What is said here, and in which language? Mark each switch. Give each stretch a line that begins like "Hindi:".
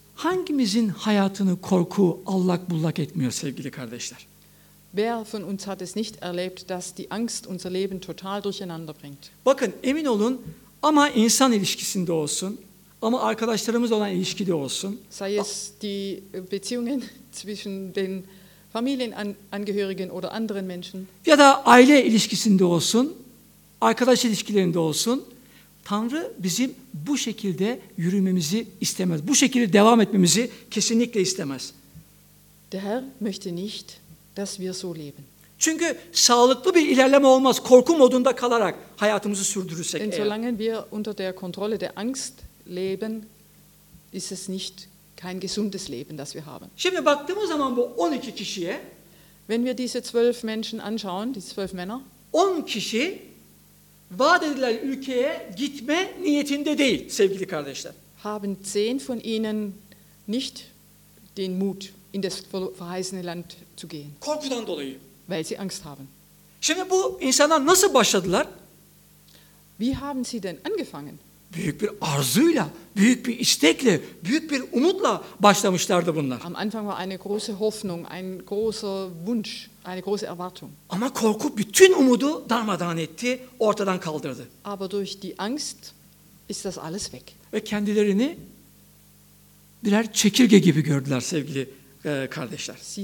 Turkish: Hangimizin hayatını korku allak bullak etmiyor sevgili kardeşler?
German: Wer von uns hat es nicht erlebt, dass die Angst unser Leben total durcheinander bringt?
Turkish: Bakın emin olun, ama insan ilişkisinde olsun, ama arkadaşlarımız olan ilişkide olsun.
German: Sei es die Beziehungen zwischen den Familienangehörigen oder anderen Menschen.
Turkish: Ya da aile ilişkisinde olsun, arkadaş ilişkilerinde olsun, Tanrı bizim bu şekilde yürümemizi istemez. Bu şekilde devam etmemizi kesinlikle istemez.
German: Der Herr möchte nicht, dass wir so leben.
Turkish: Çünkü sağlıklı bir ilerleme olmaz, korku modunda kalarak hayatımızı sürdürürsek.
German: Denn solange wir unter der Kontrolle der Angst leben, ist es nicht kein gesundes Leben, das wir haben.
Turkish: Şimdi baktığımız zaman bu 12 kişiye,
German: wenn wir diese 12 Menschen anschauen, diese 12 Männer,
Turkish: 10 kişi vaat edilen ülkeye gitme niyetinde değil sevgili kardeşler.
German: Haben 10 von ihnen nicht den Mut, in das verheißene Land zu gehen.
Turkish: Korkudan dolayı.
German: Weil sie Angst haben.
Turkish: Şimdi bu insanlar nasıl başladılar?
German: Wie haben sie denn angefangen?
Turkish: Büyük bir arzuyla, büyük bir istekle, büyük bir umutla başlamışlardı bunlar.
German: Am Anfang war eine große Hoffnung, ein großer Wunsch, eine große Erwartung.
Turkish: Ama korku bütün umudu darmadağın etti, ortadan kaldırdı.
German: Aber durch die Angst ist das alles weg.
Turkish: Ve kendilerini birer çekirge gibi gördüler sevgili kardeşler.